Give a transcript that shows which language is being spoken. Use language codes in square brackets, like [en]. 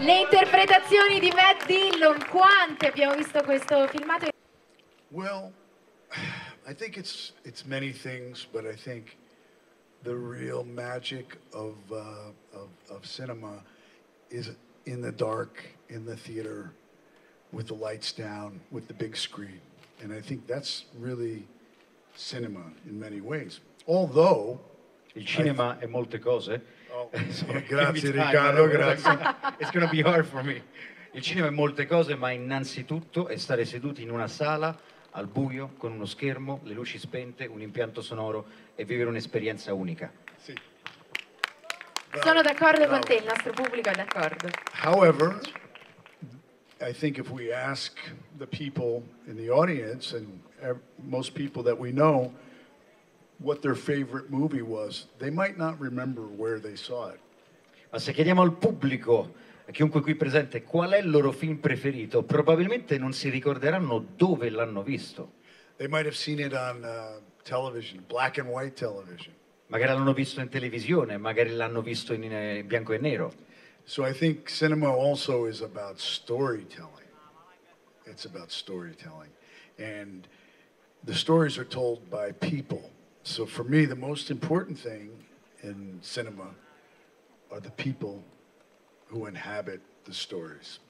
[it] Le interpretazioni di Matt Dillon, quante abbiamo visto questo filmato? [en] Well, I think it's many things, but I think the real magic of cinema is in the dark, in the theater, with the lights down, with the big screen. And I think that's really cinema in many ways. Although... [it] Il cinema è molte cose. Oh, grazie Riccardo, grazie. [en] It's gonna be hard for me. [it] Il cinema è molte cose, ma innanzitutto è stare seduti in una sala, al buio, con uno schermo, le luci spente, un impianto sonoro e vivere un'esperienza unica. Sì. Sono d'accordo con te, il nostro pubblico è d'accordo. [en] However, I think if we ask the people in the audience and most people that we know what their favorite movie was, they might not remember where they saw it. [it] Ma se chiediamo al pubblico, a chiunque qui presente, qual è il loro film preferito, probabilmente non si ricorderanno dove l'hanno visto. [en] They might have seen it on television, black and white television. [it] Magari l'hanno visto in televisione, magari l'hanno visto in bianco e nero. [en] So I think cinema also is about storytelling. It's about storytelling. And the stories are told by people. So for me, the most important thing in cinema are the people who inhabit the stories.